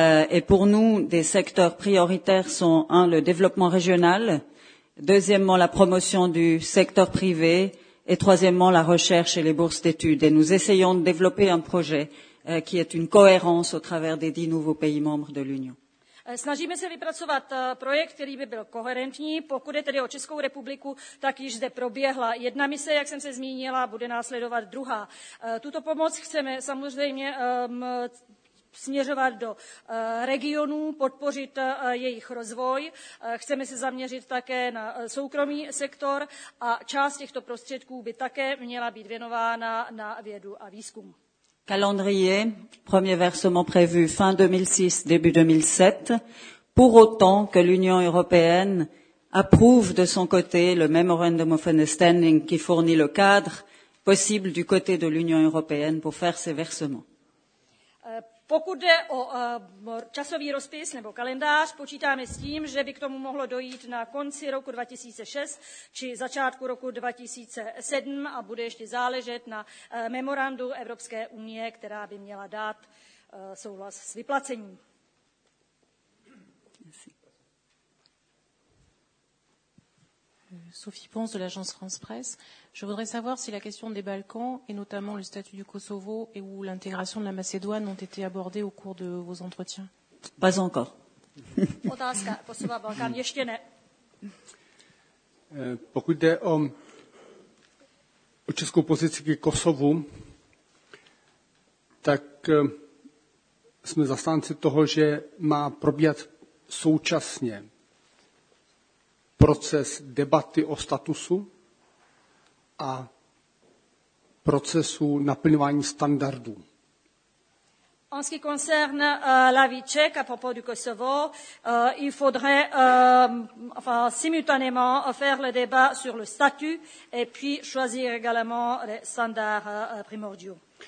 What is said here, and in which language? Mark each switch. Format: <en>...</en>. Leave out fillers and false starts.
<fr>Et pour nous, des secteurs prioritaires sont, un, le développement régional, deuxièmement, la promotion du secteur privé, et troisièmement la recherche et les bourses d'études. Et nous essayons de développer un projet qui est une cohérence au travers des 10 nouveaux pays membres de l'Union.</fr> <cs>Snažíme se vypracovat projekt, který by byl koherentní. Pokud je tedy o Českou republiku, tak již zde proběhla jedna mise, jak jsem se zmínila, bude následovat druhá. Tuto pomoc chceme samozřejmě směřovat do regionů, podpořit jejich rozvoj. Chceme se zaměřit také na soukromý sektor a část těchto prostředků by také měla být věnována na vědu a výzkum.</cs> <fr>Calendrier, premier versement prévu fin 2006, début 2007, pour autant que l'Union européenne approuve de son côté le Memorandum of Understanding qui fournit le cadre possible du côté de l'Union européenne pour faire ces versements.</fr> <cs>Pokud jde o časový rozpis nebo kalendář, počítáme s tím, že by k tomu mohlo dojít na konci roku 2006 či začátku roku 2007 a bude ještě záležet na memorandu Evropské unie, která by měla dát souhlas s vyplacením.</cs> <fr>Sophie Ponce de l'agence France Presse. Je voudrais savoir si la question des Balkans et notamment le statut du Kosovo et ou l'intégration de la Macédoine ont été abordées au cours de vos entretiens. Pas encore.</fr> <cs>Otázka Kosova Balkán ještě ne. Pokud jde o českou pozici k Kosovu, tak jsme zastánci toho, že má probíhat současně proces debaty o statusu a procesu naplňování standardů.</cs> <fr>En ce qui concerne la vie tchèque à propos du Kosovo, il faudrait simultanément faire le débat sur le statut et puis choisir également les standards primordiaux.</fr>